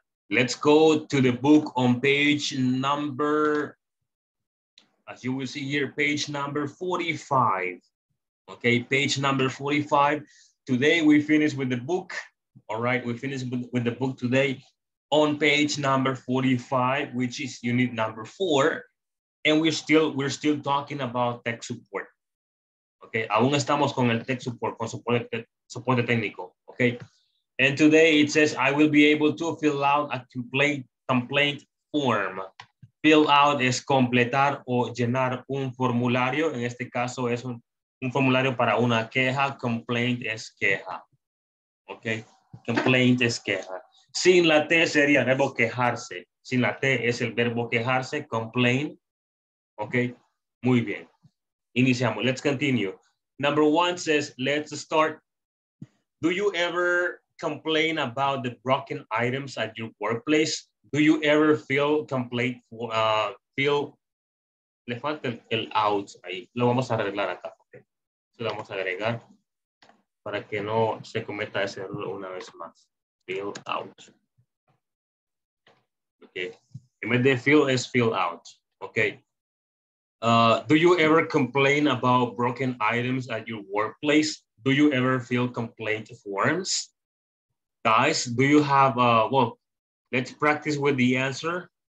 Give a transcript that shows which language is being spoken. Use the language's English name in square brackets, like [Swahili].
[English] Let's go to the book on page number, as you will see here, page number 45. Okay, page number 45. Today we finish with the book. All right, we finish with the book today on page number 45, which is unit number 4. And we're still talking about tech support. [Spanish] Okay, aún estamos con el tech support, con soporte técnico. [English] Okay. And today it says, I will be able to fill out a complaint form. [Spanish] Fill out es completar o llenar un formulario. En este caso es un formulario para una queja. Complaint es queja. Ok. Complaint es queja. Sin la T sería verbo quejarse. Sin la T es el verbo quejarse. Complain. Ok. Muy bien. Iniciamos. [English] Let's continue. Number one says, let's start. Do you ever complain about the broken items at your workplace? Do you ever feel complaint for, feel, [Spanish] le falta el out ahí, lo vamos a arreglar acá, okay. Se lo vamos a agregar para que no se cometa ese error una vez más, feel out, okay, en vez de feel es feel out, okay. [English] Do you ever complain about broken items at your workplace? Do you ever feel complaint forms? Guys, do you have, well, let's practice with the answer.